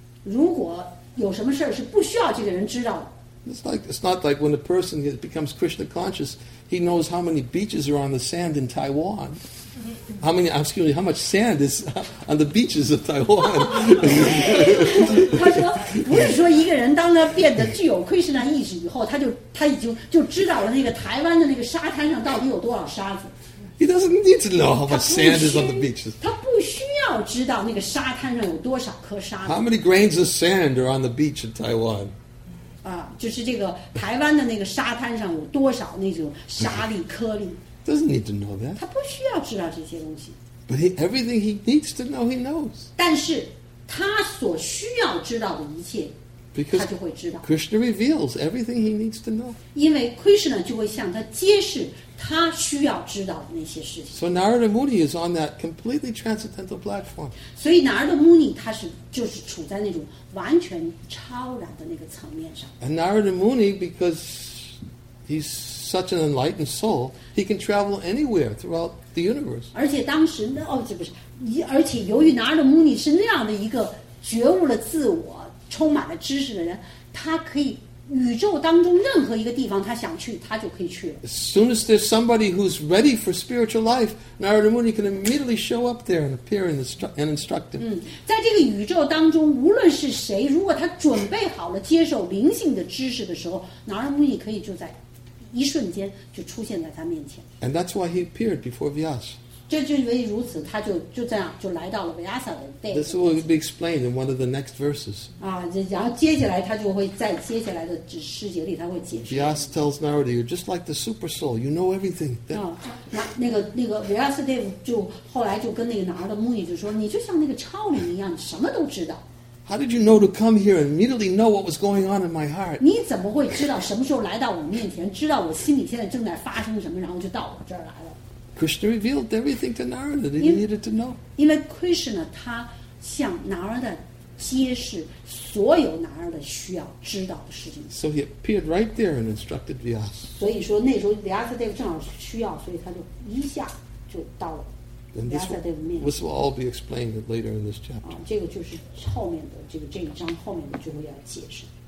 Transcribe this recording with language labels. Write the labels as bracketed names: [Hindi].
[Chinese] 如果有什么事是不需要这个人知道的。 [English] It's not like when a person becomes Krishna conscious, he knows how many beaches are on the sand in Taiwan. How much sand is on the beaches of Taiwan? [Chinese] 他说，不是说一个人当他变得具有 Krishna 意识以后，他已经知道了那个台湾的那个沙滩上到底有多少沙子。 [English] He doesn't need to know how much sand is on the beaches. [Chinese] 他不需要知道那个沙滩上有多少颗沙子。 [English] How many grains of sand are on the beach of Taiwan? [Chinese] 啊，就是这个台湾的那个沙滩上有多少那种沙粒颗粒。 [English] Doesn't need to know that. [Chinese] 他不需要知道这些东西。 [English] But everything he needs to know, he knows. [Chinese] 但是他所需要知道的一切，他就会知道。 [English] Krishna reveals everything he needs to know. [Chinese] 因为 Krishna 就会向他揭示他需要知道的那些事情。 [English] So Narada Muni is on that completely transcendental platform. [Chinese] 所以 Narada Muni 他是就是处在那种完全超然的那个层面上。 [English] And Narada Muni, because he's such an enlightened soul, he can travel anywhere throughout the universe. [Chinese] 而且当时哦，这不是，而且由于 Narada Muni 是那样的一个觉悟了自我、充满了知识的人，他可以。宇宙当中任何一个地方他想去他就可以去了。 [English] As soon as there's somebody who's ready for spiritual life, Narada Muni can immediately show up there and appear and instruct him. [Chinese] 在这个宇宙当中无论是谁如果他准备好了接受灵性的知识的时候 Narada Muni 可以就在一瞬间就出现在他面前。 [English] And that's why he appeared before Vyasa. [Chinese] 这就因为如此他就这样就来到了 Vyasa 的 day. [English] This will be explained in one of the next verses. [Chinese] 啊，然后接下来他就会在接下来的诗节里他会解释。 [English] Vyasa tells Narada, you're just like the super soul, you know everything. [Chinese] 那个 Vyasa Dev 就后来就跟那个 Narada Muni 就说你就像那个超人一样什么都知道。 [English] How did you know to come here and immediately know what was going on in my heart? [Chinese] 你怎么会知道什么时候来到我面前知道我心里现在正在发生什么然后就到我这儿来了。 [English] Krishna revealed everything to Narada that he needed to know. [Chinese] 因为 Krishna 他向 Narada 揭示所有 Narada 需要知道的事情。 [English] So he appeared right there and instructed Vyasa. [Chinese] 所以说那时候 Vyasa Dev 正好需要，所以他就一下就到了 Vyasa Dev 面前。 [English] This will all be explained later in this chapter. [Chinese] 这个就是后面的这一章后面的就会要解释。